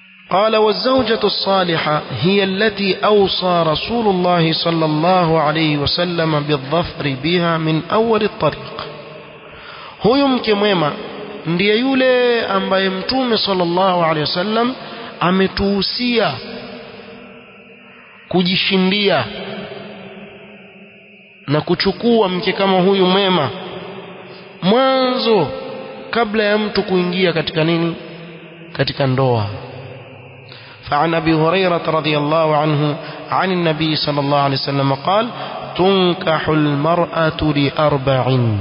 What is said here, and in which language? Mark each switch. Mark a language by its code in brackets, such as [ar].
[ar] قال والزوجة الصالحة هي التي أوصى رسول الله صلى الله عليه وسلم بالظفر بها من أول الطريق. هو يمكن مما [sw] ndiye yule ambaye mtume صلى الله عليه وسلم ametuhusia kujishindia na kuchukua mke kama huyu mwema mwanzo kabla ya mtu kuingia katika nini, katika ndoa. [ar] فعن أبي هريرة رضي الله عنه عن النبي صلى الله عليه وسلم قال تنكح المرأة لأربع.